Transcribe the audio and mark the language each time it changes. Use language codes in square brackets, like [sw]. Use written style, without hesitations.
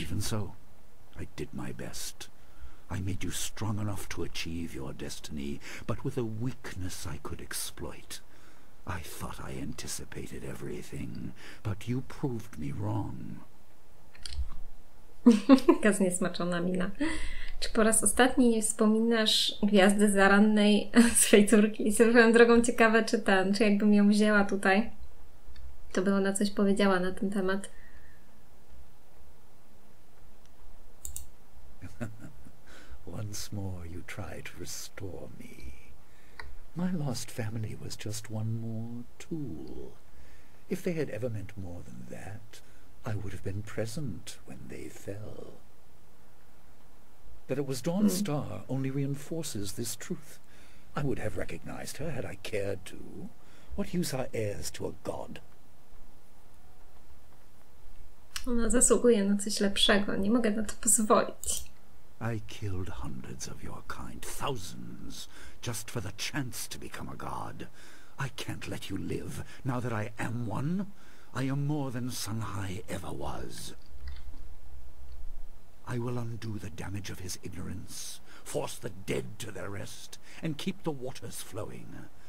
[en] Even so, I did my best. I made you strong enough to achieve your destiny, but with a weakness I could exploit. I thought I anticipated everything, but you proved me wrong. [pl] Kaz niesmaczona mina. Czy po raz ostatni nie wspominasz gwiazdy zarannej swej córki? I swoją drogą ciekawe, czy ten, czy jakbym ją wzięła tutaj, to by ona coś powiedziała na ten temat. [en] Once more you try to restore me. My lost family was just one more tool. If they had ever meant more than that, I would have been present when they fell. That it was Dawnstar only reinforces this truth. I would have recognized her had I cared to. What use are heirs to a god? [pl] Ona zasługuje na coś lepszego. Nie mogę na to pozwolić. [en] I killed hundreds of your kind, thousands, just for the chance to become a god. I can't let you live. Now that I am one, I am more than Sanhai ever was. I will undo the damage of his ignorance, force the dead to their rest, and keep the waters flowing.